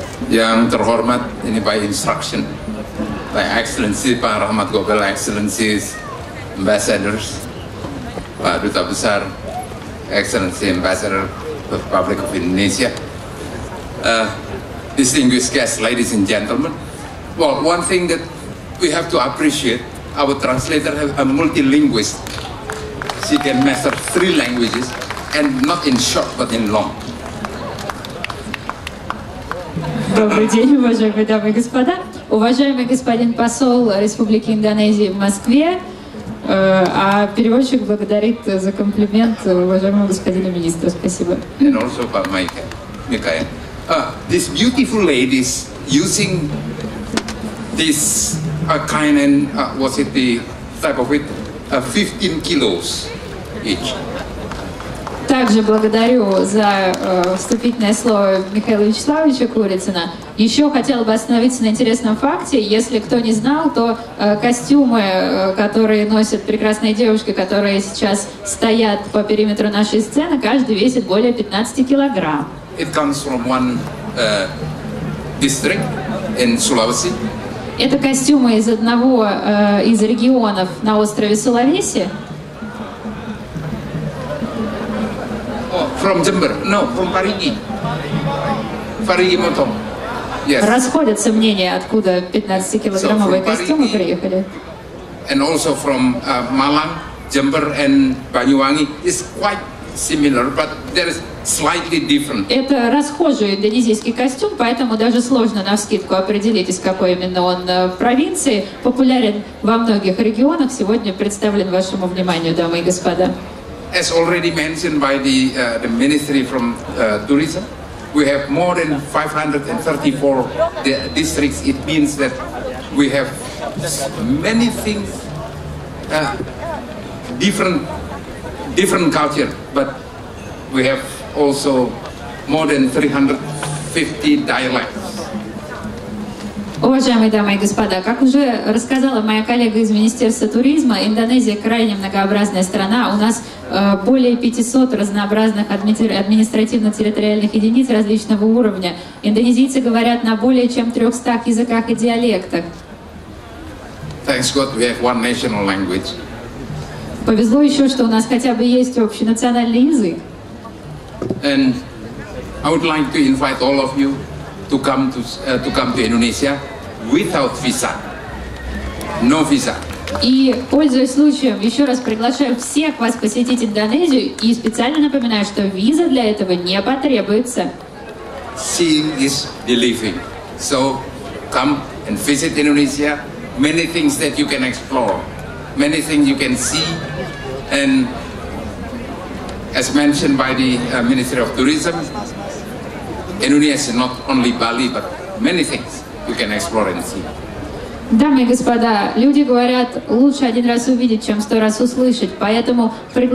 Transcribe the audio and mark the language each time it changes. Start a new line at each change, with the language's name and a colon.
Indonesian: Yang terhormat,
English: ini by instruction, by excellency, Pak Rahmat Gobel, excellencies, ambassadors,
Indonesian: Pak Duta Besar,
English: excellency ambassador of the Republic of Indonesia, distinguished guests, ladies and gentlemen. Well, one thing that we have to appreciate, our translator is a multilingualist. She can master three languages, and not in short, but in long.
Russian: Добрый день, уважаемые дамы и господа. Уважаемый господин посол Республики Индонезии в Москве, а переводчик благодарит за комплимент уважаемого господина министра. Спасибо.
English: And also by Mike, Mikael, these beautiful ladies using this kind and was it the type of it 15 kilos each.
Russian: Также благодарю за вступительное слово Михаила Вячеславовича Курицына. Еще хотела бы остановиться на интересном факте. Если кто не знал, то костюмы, которые носят прекрасные девушки, которые сейчас стоят по периметру нашей сцены, каждый весит более 15 килограмм.
English: It comes from one district in Sulawesi.
Russian: Это костюмы из одного из регионов на острове Сулавеси.
English: From Jember, no, from Parigi. Parigi Motom. Yes.
Russian: Расходятся мнения, откуда 15-килограммовые костюмы приехали.
English: And also from Malang, Jember and Banyuwangi is quite similar, but there is slightly different.
Russian: Это расхожий индонезийский костюм, поэтому даже сложно навскидку определить, из какой именно он провинции. Популярен во многих регионах, сегодня представлен вашему вниманию, дамы и господа.
English: As already mentioned by the ministry from tourism, we have more than 534 districts. It means that we have many things, different culture, but we have also more than 350 dialects.
Russian: Уважаемые дамы и господа, как уже рассказала моя коллега из Министерства туризма, Индонезия крайне многообразная страна. У нас более 500 разнообразных административно-территориальных единиц различного уровня. Индонезийцы говорят на более чем 300 языках и диалектах.
English: Thanks God, we have one national language.
Russian: Повезло еще, что у нас хотя бы есть общенациональный язык.
English: And I would like to invite all of you to come to Indonesia. Without visa. No visa.
Russian: И, пользуясь случаем, еще раз приглашаю всех вас посетить Индонезию и специально напоминаю, что виза для этого не потребуется.
English: Seeing is believing. So come and visit Indonesia. Many things that you can explore. Many things you can see. And as mentioned by the Ministry of Tourism, Indonesia is not only Bali, but many things. You can explore and see.
Russian: Дамы и господа, люди говорят, лучше один раз увидеть, чем сто раз услышать. Поэтому приглашаю.